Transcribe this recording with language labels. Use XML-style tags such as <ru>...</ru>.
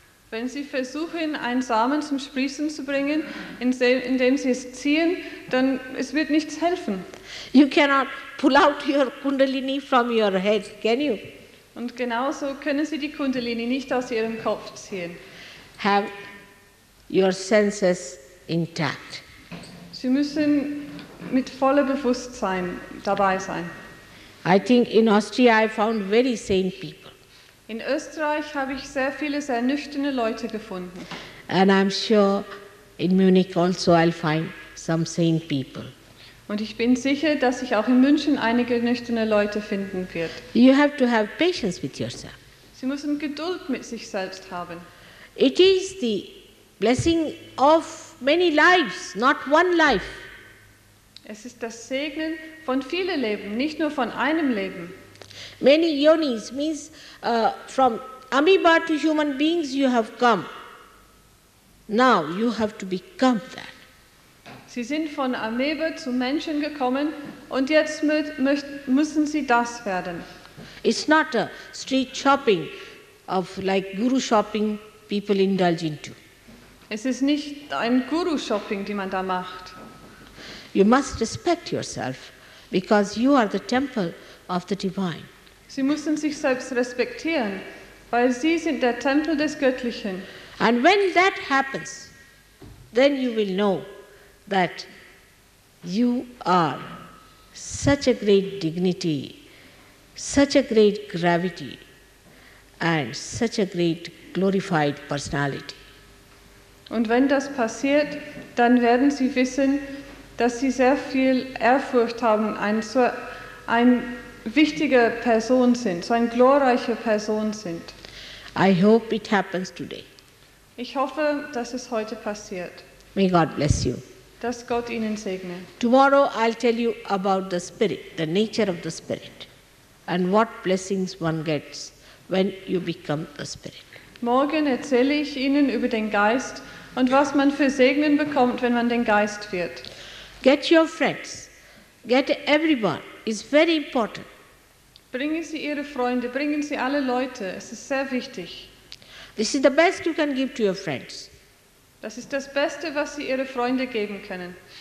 <de>Wenn Sie versuchen, einen Samen zum Sprießen zu bringen, indem Sie es ziehen, dann es wird nichts helfen.</de> <en>You cannot pull out your Kundalini from your head, can you?</en> <de>Und genauso können Sie die Kundalini nicht aus Ihrem Kopf ziehen.</de> <en>Have your senses intact.</en> <de>Sie müssen mit vollem Bewusstsein dabei sein.</de> <en>I think in Austria I found very sane people.</en> <de>In Österreich habe ich sehr viele sehr nüchterne Leute gefunden.</de> <en>And I'm sure in Munich also I'll find some sane people.</en> <de>Und ich bin sicher, dass ich auch in München einige nüchterne Leute finden werde.</de> <en>You have to have patience with yourself.</en> <de>Sie müssen Geduld mit sich selbst haben.</de> <en>It is the blessing of many lives, not one life.</en> <de>Es ist das Segnen von vielen Leben, nicht nur von einem Leben.</de> <en>Many yonis means from amoeba to human beings you have come. Now you have to become that.</en> <de>Sie sind von Amoebe zu Menschen gekommen und jetzt müssen Sie das werden.</de> <en>It's not a street shopping of like guru shopping people indulge into.</en> <de>Es ist nicht ein guru shopping, die man da macht.</de> <en>You must respect yourself because you are the temple of the divine.</en> <de>Sie müssen sich selbst respektieren, weil Sie sind der Tempel des Göttlichen.</de> <en>And when that happens, then you will know that you are such a great dignity, such a great gravity, and such a great glorified personality.</en> <de>Und wenn das passiert, dann werden Sie wissen, dass Sie sehr viel Ehrfurcht haben, eine wichtige Person sind, so eine glorreiche Person sind.</de> <en>I hope it happens today.</en> <de>Ich hoffe, dass es heute passiert.</de> <en>May God bless you.</en> <de>Dass Gott Ihnen segne.</de> <en>Tomorrow I'll tell you about the spirit, the nature of the spirit, and what blessings one gets when you become the spirit.</en> <de>Morgen erzähle ich Ihnen über den Geist und was man für Segnen bekommt, wenn man den Geist wird.</de> <en>Get your friends. Get everyone. It's very important.</en> <de>Bringen Sie Ihre Freunde, bringen Sie alle Leute. Es ist sehr wichtig.</de> <en>This is the best you can give to your friends.</en> <de>Das ist das Beste, was Sie Ihre Freunde geben können.</de>